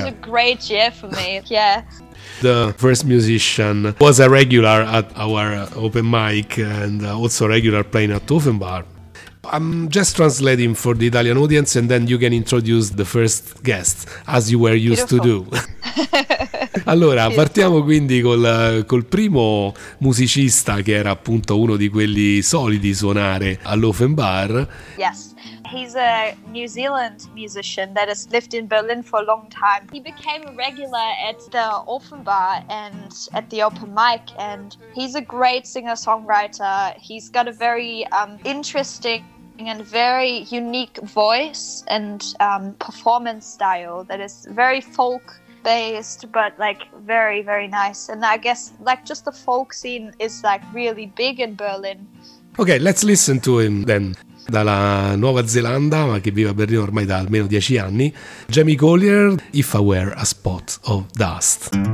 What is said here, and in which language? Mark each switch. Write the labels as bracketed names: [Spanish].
[English] That was a great year for me. Yeah. The first musician was a regular at our open mic and also a regular playing at Offenbar. I'm just translating for the Italian audience, and then you can introduce the first guest as you were used Beautiful. To do. [Italian] Allora, partiamo quindi col primo musicista, che era appunto uno di quelli soliti suonare all'Offenbar. [English] Yes, he's a New Zealand musician that has lived in Berlin for a long time. He became a regular at the Offenbar and at the open mic, and he's a great singer-songwriter. He's got a very interesting and very unique voice and performance style that is very folk based, but like very, very nice. And I guess like just the folk scene is like really big in Berlin. Okay, let's listen to him then. [Italian] Dalla Nuova Zelanda, ma che vive a Berlino ormai da almeno 10 anni, Jamie Collier, If I Were a Spot of Dust.